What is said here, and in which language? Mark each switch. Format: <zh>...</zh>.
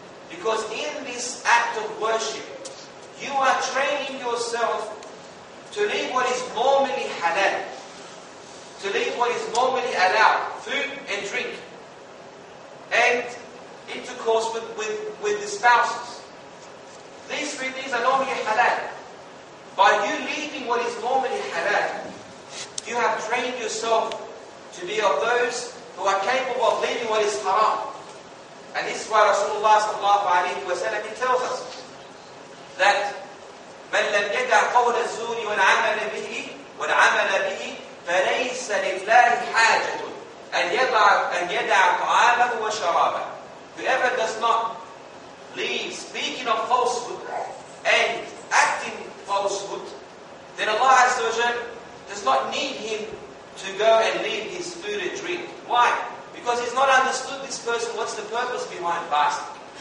<en>Because in this act of worship, you are training yourself to leave what is normally halal, to leave what is normally allowed, food and drink, and intercourse with the spouses. These three things are normally halal. By you leaving what is normally halal, you have trained yourself to be of those who are capable of leaving what is haram. And this is why Rasulullah sallallahu alayhi wa sallam, he tells us that</en> <ar>مَنْ لَمْ يَدَعْ قَوْلَ الزُّورِ وَالْعَمَلَ بِهِ وَالْعَمَلَ بِهِ فَلَيْسَ لِلَّهِ حَاجَةٌ أَنْ يَدَعْ طَعَامَهُ وَشَرَابَهُ.</ar> <en>Whoever does not leave speaking of falsehood and acting falsehood, then Allah Azza wa Jal does not need him to go and leave his food and drink. Why? Because he's not understood, this person, what's the purpose behind fasting.</en>